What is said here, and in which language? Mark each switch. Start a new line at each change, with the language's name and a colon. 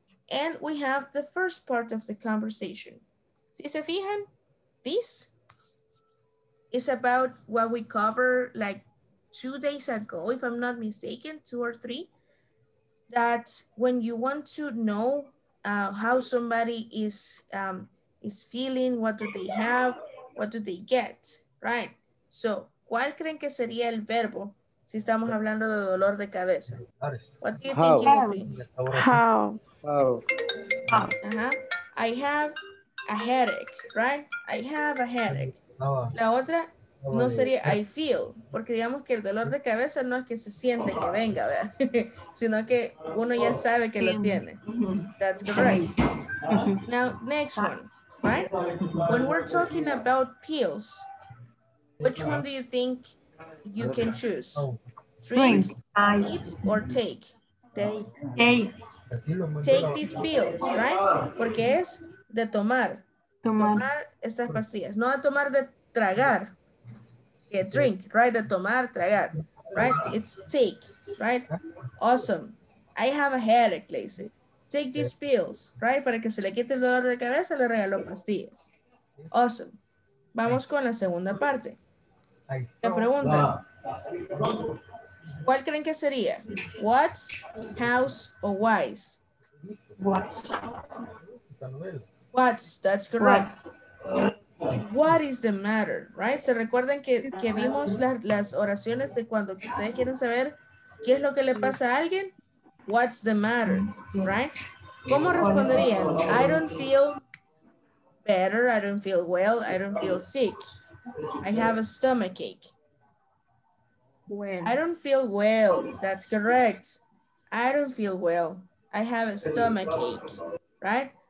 English: And we have the first part of the conversation.
Spanish: Si se fijan,
English: this is about what we covered like 2 days ago, if I'm not mistaken, 2 or 3, that when you want to know how somebody is feeling, what do they have, what do they get, right?
Spanish: So, ¿cuál creen que sería el verbo si estamos hablando de dolor de cabeza?
English: What do you think it would be? How? Uh-huh. I have a headache, right? I have a headache.
Spanish: La otra no sería
English: I feel,
Spanish: porque digamos que el dolor de cabeza no es que se siente que venga, ¿verdad? Sino que uno ya sabe que lo tiene.
English: That's correct. Now, next one, right? When we're talking about pills, which one do you think you can choose? Drink, eat, or take? Take these pills, right?
Spanish: Porque es de tomar. Tomar estas pastillas, no a tomar de tragar, que drink, right? De tomar, tragar, right?
English: It's take, right? Awesome. I have a headache, Lacey. Take these pills, right?
Spanish: Para que se le quite el dolor de cabeza, le regaló pastillas.
English: Awesome.
Spanish: Vamos con la segunda parte. La pregunta. ¿Cuál creen que sería?
English: What's, how's, or why's? What's. What's, that's correct. What is the matter, right?
Spanish: Se recuerdan que vimos las oraciones de cuando ustedes quieren saber qué es lo que le pasa a alguien.
English: What's the matter, right?
Spanish: ¿Cómo responderían?
English: I don't feel better, I don't feel well, I don't feel sick. I have a stomachache. I don't feel well, that's correct. I don't feel well, I have a stomachache, right?